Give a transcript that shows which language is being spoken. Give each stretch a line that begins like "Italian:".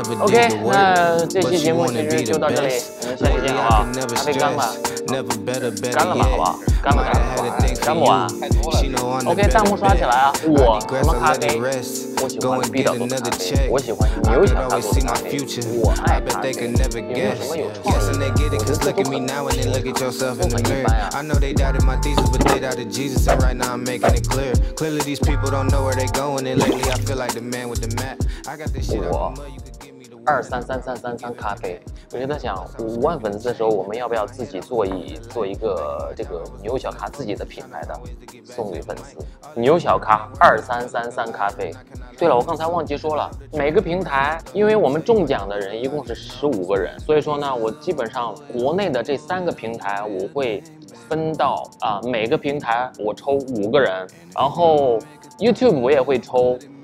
Chinese: OK， 那这期节目其实就到这里，下期见，好不好？咖啡干吧，干了吧，好不好？干不干？干不完，太多了。 OK， 弹幕刷起来啊！我什么咖啡？我喜欢 B 导的咖啡，我喜欢牛小咖啡咖啡，我爱咖啡。有没有什么有创意？
English: Cause look at me now and then look at yourself in the mirror. I know they doubted my thesis, but they doubted Jesus. And right now I'm making it clear. Clearly these people don't know where they're going. And lately I feel like the man with the map. I got this shit out of my mind.
Chinese: 233333咖啡，我就在想，5万粉丝的时候，我们要不要自己做一个这个牛小咖自己的品牌的送给粉丝？牛小咖2333咖啡。对了，我刚才忘记说了，每个平台，因为我们中奖的人一共是15个人，所以说呢，我基本上国内的这三个平台我会分到每个平台我抽5个人，然后 YouTube 我也会抽。